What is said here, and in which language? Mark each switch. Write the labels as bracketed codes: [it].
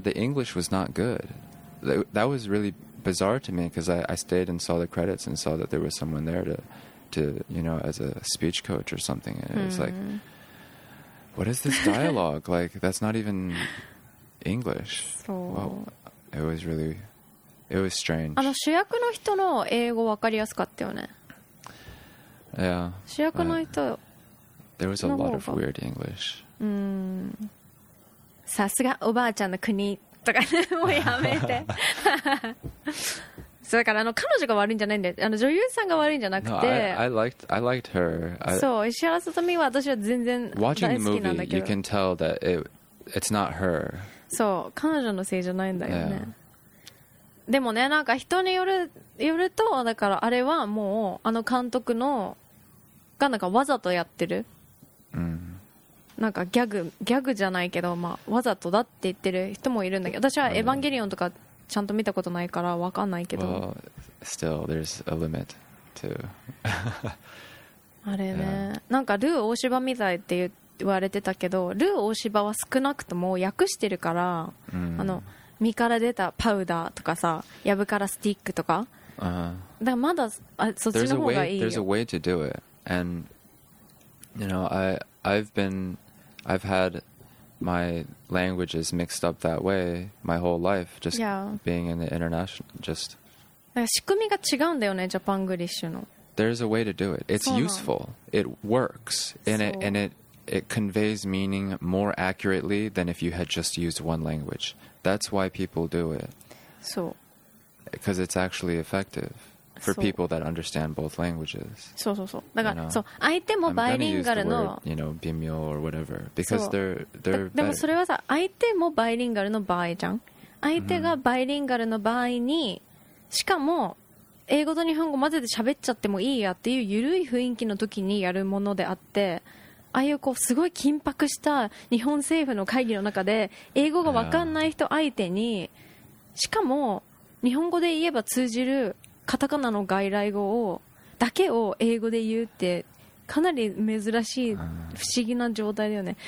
[en] The English was not good. That was really bizarre to me because I stayed and saw the credits and saw that there was someone there to you know, as a speech coach or something. And it was、mm-hmm. like,What is this dialogue? Like, that's not even English. Well, it was strange. [ja] あの主役の人の英語分かりやすかったよね。 [en] Yeah. [ja] 主役の人の方が。 [en] There was a lot of weird English. [ja] さすがおばあちゃんの国とかね、もうやめて。そうだからあの彼女が悪いんじゃないんで、あの女優さんが悪いんじゃなくて、 [en] no, I liked her. [ja] そう、石原さとみは私は全然大好きなんだけど。 [en] Watching the movie, you can tell that it's not her. [ja] そう、彼女のせいじゃないんだよね。でもね、なんか人によるよるとだからあれはもうあの監督のがなんかわざとやってる。なんかギャグじゃないけど、まあわざとだって言ってる人もいるんだけど、私はエヴァンゲリオンとか。ちゃんと見たことないからわかんないけど。 [en] Well, still, there's a limit to. [ja] あれね、yeah. なんかルー大芝みたいって言われてたけど、ルー大芝は少なくとも訳してるから、 mm. あの身から出たパウダーとかさ、ヤブからスティックとか、 uh-huh. だからまだあそっちの方がいいよ。 [en] There's a way to do it. And you know, I've had my language is mixed up that way my whole life just、 yeah. being in the international just [ja] 仕組みが違うんだよね、ジャパングリッシュの。 [en] There's a way to do it. It's useful. It works. And it conveys meaning more accurately than if you had just used one language. That's why people do it. [ja] そう。 [en] Because it's actually effective for people that understand both languages. [ja] そうそうそう。だから、そう、相手もバイリンガルの、 [en] you know, 微妙 or whatever, because they're [ja] でもそれはさ、相手もバイリンガルの場合じゃん。相手がバイリンガルの場合に、しかも英語と日本語混ぜて喋っちゃってもいいやっていう緩い雰囲気の時にやるものであって、ああいうこうすごい緊迫した日本政府の会議の中で英語が分かんない人相手に、しかも日本語で言えば通じるカタカナの外来語をだけを英語で言うってかなり珍しい不思議な状態だよね。